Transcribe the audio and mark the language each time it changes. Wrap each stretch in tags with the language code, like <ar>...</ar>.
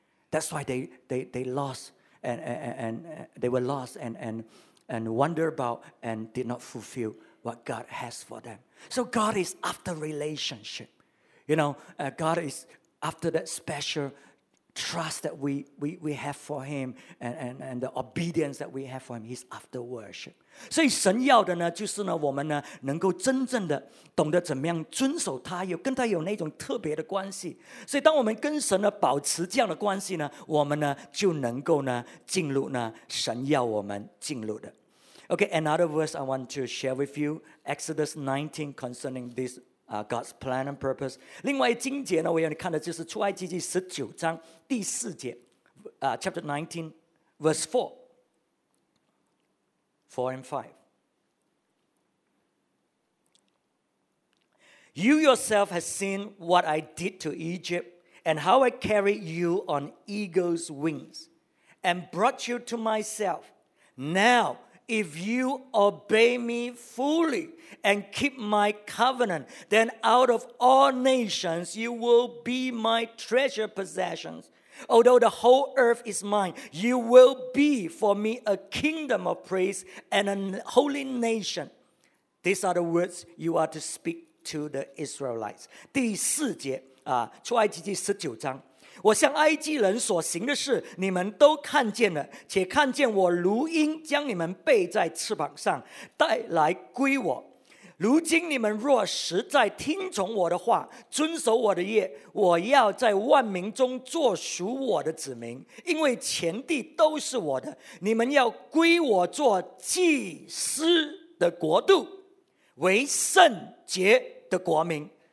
<en>That's why they lost and they were lost and wonder about and did not fulfill what God has for them. So God is after relationship. You know, God is after that special trust that we have for him and the obedience that we have for him. He's after worship.</en> <zh>所以神要的呢，就是呢，我们呢能够真正的懂得怎么样遵守他，有跟他有那种特别的关系。所以当我们跟神呢保持这样的关系呢，我们呢就能够呢进入呢神要我们进入的。</zh> <en>Okay, another verse I want to share with you, Exodus 19 concerning this. God's plan and purpose.</en> <zh>另外经节呢，我要你看的就是出埃及记十九章第四节，</zh> <en>Chapter 19, verse 4 and 5. You yourself have seen what I did to Egypt, and how I carried you on eagle's wings, and brought you to myself. Now. If you obey me fully and keep my covenant, then out of all nations you will be my treasure possessions. Although the whole earth is mine, you will be for me a kingdom of priests and a holy nation. These are the words you are to speak to the Israelites.</en> <zh>第四节，出埃及记十九章。我向埃及人所行的事你们都看见了，且看见我如鹰将你们背在翅膀上带来归我。如今你们若实在听从我的话，遵守我的约，我要在万民中作属我的子民，因为全地都是我的，你们要归我做祭司的国度，为圣洁的国民。</zh>